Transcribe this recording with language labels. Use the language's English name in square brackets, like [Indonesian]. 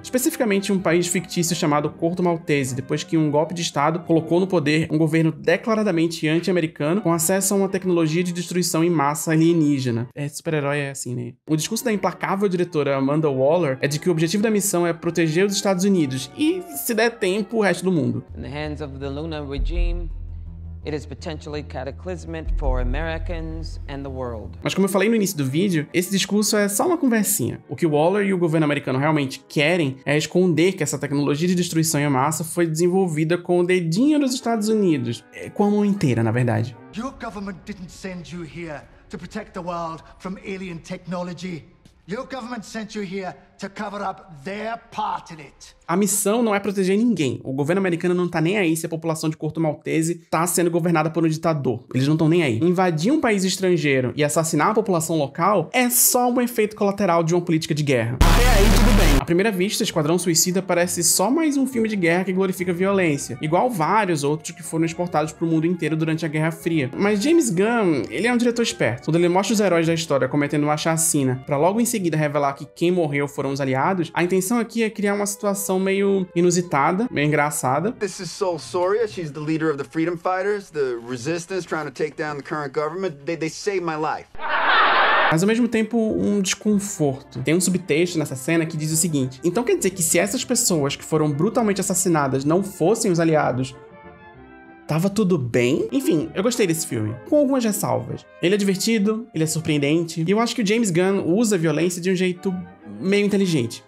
[Portuguese] Especificamente um país fictício chamado Corto Maltese, depois que um golpe de Estado colocou no poder um governo declaradamente anti-americano com a acesso a uma tecnologia de destruição em massa alienígena. É, super-herói é assim, né? O discurso da implacável diretora Amanda Waller é de que o objetivo da missão é proteger os Estados Unidos e, se der tempo, o resto do mundo. [English] In the hands of the Lunar regime, it is potentially cataclysmic for Americans and the world. [Portuguese] Mas como eu falei no início do vídeo, esse discurso é só uma conversinha. O que Waller e o governo americano realmente querem é esconder que essa tecnologia de destruição em massa foi desenvolvida com o dedinho dos Estados Unidos. É, com a mão inteira, na verdade. [English] Your government didn't send you here to protect the world from alien technology. Your government sent you here to cover up their part in it. [Portuguese] A missão não é proteger ninguém. O governo americano não tá nem aí se a população de Corto Maltese tá sendo governada por um ditador. Eles não estão nem aí. Invadir um país estrangeiro e assassinar a população local é só um efeito colateral de uma política de guerra. Até aí, tudo bem. À primeira vista, Esquadrão Suicida parece só mais um filme de guerra que glorifica violência, igual vários outros que foram exportados pro mundo inteiro durante a Guerra Fria. Mas James Gunn, ele é um diretor esperto. Quando ele mostra os heróis da história cometendo uma chacina pra logo em seguida revelar que quem morreu foram os aliados, a intenção aqui é criar uma situação meio inusitada, meio engraçada. [English] This is Sol Soria. She's the leader of the Freedom Fighters, the resistance trying to take down the current government. They saved my life. [Portuguese] Mas ao mesmo tempo, um desconforto. Tem um subtexto nessa cena que diz o seguinte: então quer dizer que se essas pessoas que foram brutalmente assassinadas não fossem os aliados, tava tudo bem? Enfim, eu gostei desse filme, com algumas ressalvas. Ele é divertido, ele é surpreendente, e eu acho que o James Gunn usa a violência de um jeito meio inteligente.